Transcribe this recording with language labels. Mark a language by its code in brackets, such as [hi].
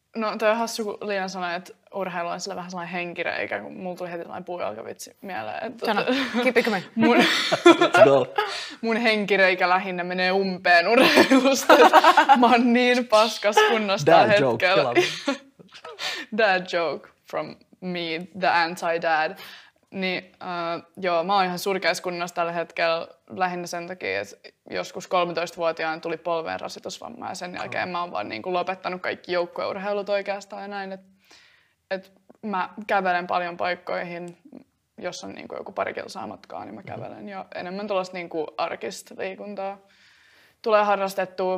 [fi] No toi on hassu, kun Liina sanoi, että urheilu on sillä vähän sellainen henkireikä, kun mulla tuli heti sellainen puujalkavitsi mieleen. Että sano, [en] keep it coming. [fi] Mun henkireikä lähinnä menee umpeen urheilusta. Mä oon niin paskas kunnosta [en] dad [fi] hetkellä. [en] Joke. Dad joke from me, the anti-dad. [fi] Niin, joo, mä oon ihan surkeassa kunnossa tällä hetkellä lähinnä sen takia, että joskus 13-vuotiaan tuli polveen rasitusvamma ja sen jälkeen mä oon vaan niin kuin lopettanut kaikki joukkueurheilut oikeastaan ja näin. Et mä kävelen paljon paikkoihin, jos on niin kuin joku pari kilsaa matkaa, niin mä kävelen jo enemmän tuollaista niin kuin arkista liikuntaa. tulee harrastettua.